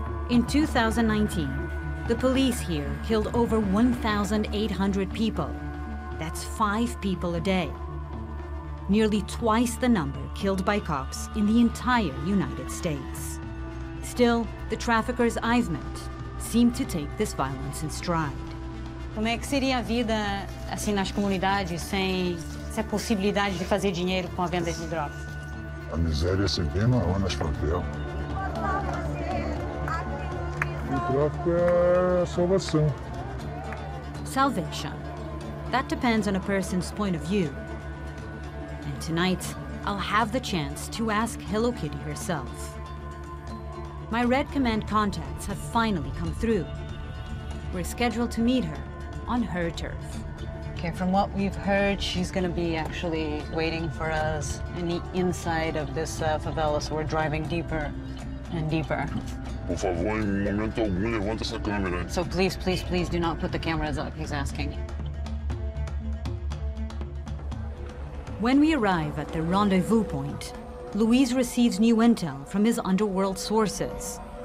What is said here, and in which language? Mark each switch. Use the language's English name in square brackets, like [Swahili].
[English] In 2019, the police here killed over 1,800 people. That's 5 people a day. Nearly twice the number killed by cops in the entire United States. Still, the traffickers I've met seem to take this violence in stride. [Portuguese] Como é que seria a vida assim nas comunidades sem essa possibilidade de fazer dinheiro com a venda de drogas? A miséria é sempre maior nas favelas. O tráfico é a salvação. [English] Salvation. That depends on a person's point of view. And tonight, I'll have the chance to ask Hello Kitty herself. My Red Command contacts have finally come through. We're scheduled to meet her on her turf. Okay, from what we've heard, she's gonna be actually waiting for us in the inside of this favela, so we're driving deeper and deeper. [Portuguese] Por favor, em momento algum, levanta essa câmera. [English] So please, please, please do not put the cameras up, he's asking. When we arrive at the rendezvous point, Luis receives new intel from his underworld sources.